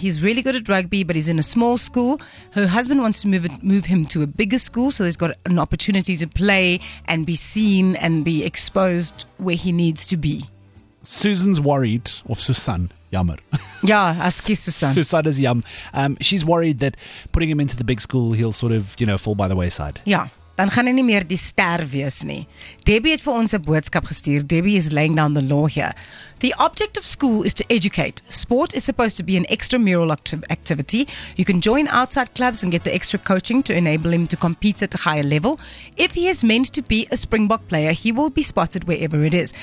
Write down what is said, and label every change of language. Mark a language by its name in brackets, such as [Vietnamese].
[English] He's really good at rugby, but he's in a small school. Her husband wants to move him to a bigger school, so he's got an opportunity to play and be seen and be exposed where he needs to be. Susan's worried, or Susan, yammer. Yeah, aski Susan. Susan is yum. She's worried that putting him into the big school, he'll sort of, you know, fall by the wayside. Yeah. [Afrikaans] Dan gaan hy nie meer die ster wees nie. Debbie het vir ons 'n boodskap gestuur. [English] Debbie is laying down the law here. The object of school is to educate. Sport is supposed to be an extramural activity. You can join outside clubs and get the extra coaching to enable him to compete at a higher level. If he is meant to be a Springbok player, he will be spotted wherever it is.